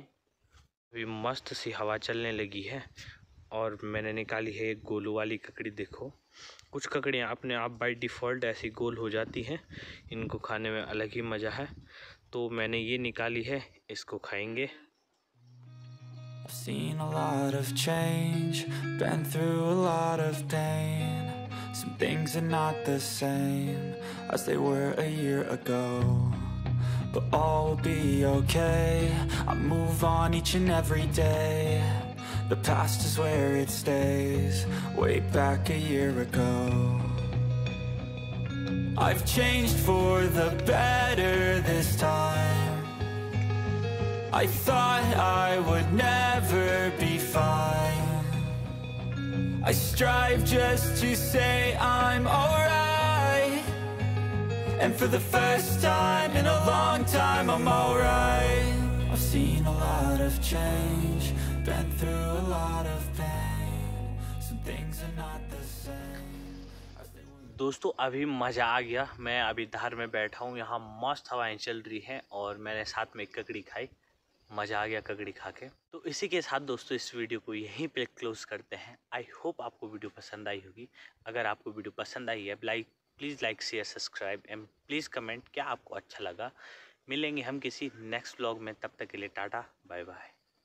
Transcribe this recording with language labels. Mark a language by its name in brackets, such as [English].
[Hindi] अभी मस्त सी हवा चलने लगी है और मैंने निकाली है एक गोलू वाली ककड़ी। देखो कुछ ककड़ियाँ अपने आप बाय डिफ़ॉल्ट ऐसी गोल हो जाती हैं, इनको खाने में अलग ही मज़ा है। तो मैंने ये निकाली है, इसको खाएंगे। [English] Seen a lot of change, been through a lot of pain. Some things are not the same as they were a year ago. But all will be okay, I move on each and every day. The past is where it stays, way back a year ago. I've changed for the better this time. I thought I would never be fine. I strive just to say I'm alright. And for the first time in a long time, I'm alright. I've seen a lot of change, been through a lot of pain. Some things are not the same. [Hindi] दोस्तों अभी मज़ा आ गया, मैं अभी धार में बैठा हूँ, यहाँ मस्त हवाएं चल रही हैं और मैंने साथ में ककड़ी खाई, मज़ा आ गया ककड़ी खा के। तो इसी के साथ दोस्तों इस वीडियो को यहीं पे क्लोज करते हैं। [English] I hope [Hindi] आपको वीडियो पसंद आई होगी। अगर आपको वीडियो पसंद आई है [English] please like share subscribe and please comment [Hindi] क्या आपको अच्छा लगा। मिलेंगे हम किसी नेक्स्ट व्लॉग में, तब तक के लिए टाटा बाय बाय।